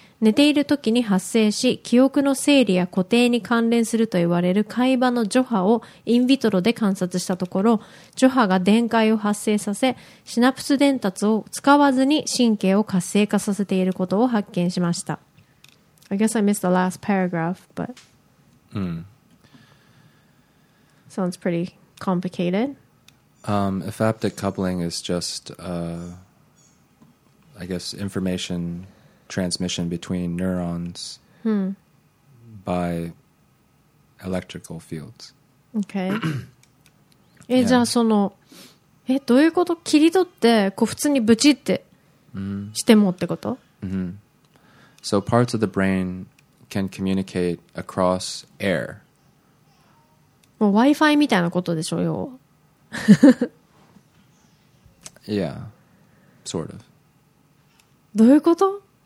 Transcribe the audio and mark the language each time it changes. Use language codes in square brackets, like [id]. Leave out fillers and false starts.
[ja] 寝ている時に発生し、記憶の整理や固定に関連すると言われる海馬の徐波をインビトロで観察したところ、徐波が電解を発生させ、シナプス伝達を使わずに神経を活性化させていることを発見しました。 [en] I guess I missed the last paragraph, but... Sounds pretty complicated. If aptic coupling is just, I guess, information transmission between neurons by electrical fields. Okay. [ja] え、じゃあその、え、どういうこと？切り取って、こう普通にブチってしてもってこと？ [en] Mm-hmm. So parts of the brain can communicate across air. [ja] もう Wi-Fi みたいなことでしょよ。 [en] yeah, sort of. [ja] どういうこと？